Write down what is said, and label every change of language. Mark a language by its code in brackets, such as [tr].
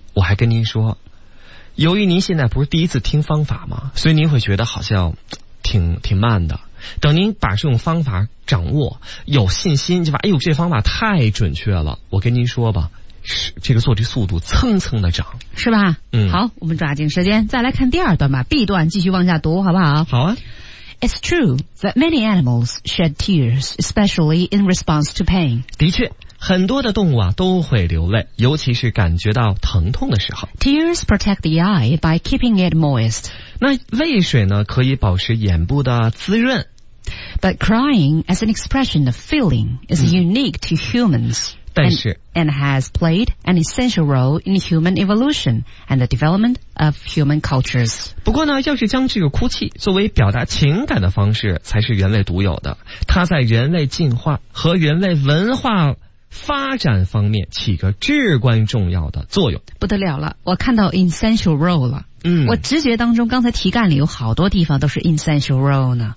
[zh] 我还跟您说，由于您现在不是第一次听方法吗，所以您会觉得好像挺慢的。等您把这种方法掌握，有信心，就把，哎呦，这方法太准确了，我跟您说吧。这个做题速度蹭蹭的涨，是吧？嗯，好，我们抓紧时间再来看第二段吧 ，B 段继续往下读，好不好？好啊。 [en] It's true that many animals shed tears, especially in response to pain. [zh] 的确，很多的动物啊都会流泪，尤其是感觉到疼痛的时候。 [en] Tears protect the eye by keeping it moist. [zh] 那泪水呢，可以保持眼部的滋润。 [en] But crying as an expression of feeling is unique to humans. and has played an essential role in human evolution and the development of human cultures. [zh] 不过呢，要是将这个哭泣作为表达情感的方式，才是人类独有的。它在人类进化和人类文化发展方面起个至关重要的作用。不得了了，我看到 essential role 了。我直觉当中刚才题干里有好多地方都是 essential role 呢。